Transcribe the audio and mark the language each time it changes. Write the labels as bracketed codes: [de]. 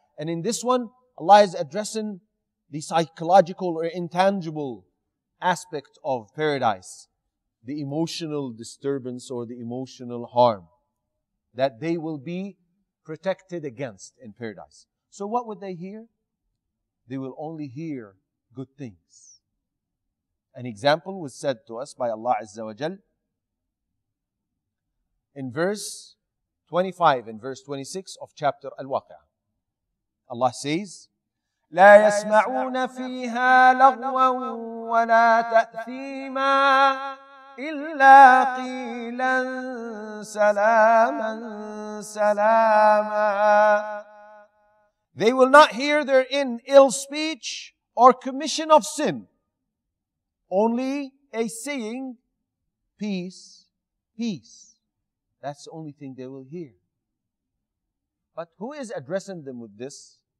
[en] And in this one, Allah is addressing the psychological or intangible aspect of paradise, the emotional disturbance or the emotional harm that they will be protected against in paradise. So what would they hear? They will only hear good things. An example was said to us by Allah Azza wa Jal in verse 25 and verse 26 of chapter Al-Waqi'ah. Allah says, [ar] لا يسمعون فيها لغوا ولا تأثيما إلا قيلا سلاما سلاما. [en] They will not hear therein ill speech or commission of sin, only a saying, peace, peace. That's the only thing they will hear. But who is addressing them with this?